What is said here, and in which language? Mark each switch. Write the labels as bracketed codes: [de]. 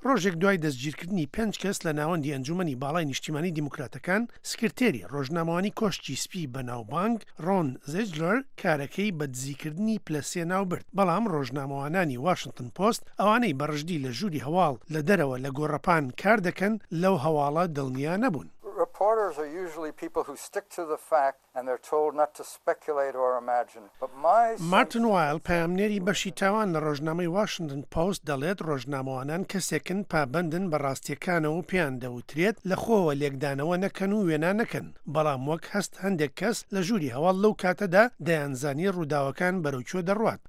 [ckb] ڕۆژێک دوای دەستگیرکردنی پێنج کەس لە ناوەندی ئەنجومەنی باڵای نیشتیمانی دیموکراتەکان، سکرتێری ڕۆژنامەوانی کۆشتی سپی بەناوبانگ ڕۆن زێجلەر کارەکەی بە دزیکردنی پلەسێ ناوبرد. بەڵام ڕۆژنامەوانانی واشنگتن پۆست ئەوانەی بەڕژدی لە ژووری هەواڵ لە دەرەوە لە گۆڕەپان کار دەکەن لەو هەواڵە دڵنیا نەبوون. [en] Reporters are usually people who stick to the fact and they're told not to speculate or imagine. But my [ckb] Martin Weil پەیامنێری بەشی تاوان لە ڕۆژنامەی واشنگتن پۆست دەڵێت ڕۆژنامەوانان کەسێکن پابندن بە ڕاستییەکانەوە و پێیان دەوترێت لەخۆوە لێکدانەوە نەکەن و وێنا نەکەن. بەڵام وەک هەست هەندێک کەس لە ژووری هەواڵ لەو کاتەدا دەیانزانی ڕووداوەکان بەرەوچوە دەڕوات.